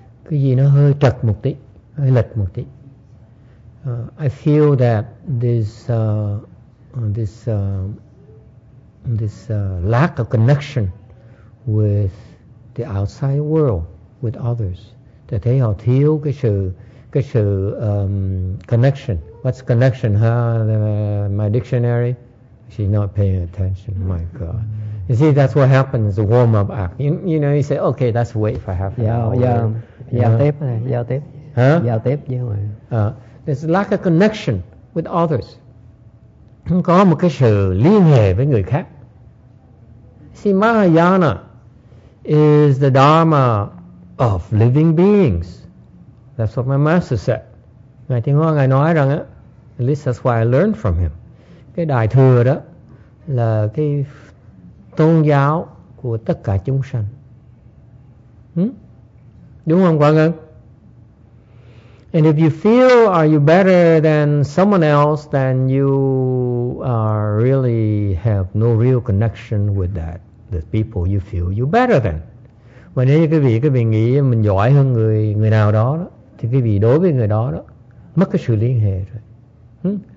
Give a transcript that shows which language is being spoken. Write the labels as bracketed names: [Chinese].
[Vietnamese] Cái gì nó hơi trật một tí, hơi lệch một tí. [English] I feel that this lack of connection with the outside world, with others. [Vietnamese] Thầy thấy họ thiếu cái sự connection. [English] What's connection, huh? My dictionary? She's not paying attention. My God. You see, that's what happens, the warm-up act. You know, you say, okay, let's wait for half an hour. There's a lack of connection with others. [Vietnamese] Không có một cái sự liên hệ với người khác. [English] See, Mahayana is the Dharma of living beings. That's what my master said. Ngài Tiên Hóa, [Vietnamese] Ngài nói rằng, [English] at least that's why I learned from him. [Vietnamese] Cái Đại Thừa đó là cái tôn giáo của tất cả chúng sanh. Đúng không, Quang Ngân? [English] And if you feel, are you better than someone else, then you are really have no real connection with that, the people you feel you better than. [Vietnamese] Mà nếu như quý vị nghĩ mình giỏi hơn người nào đó, thì quý vị đối với người đó, mất cái sự liên hệ rồi.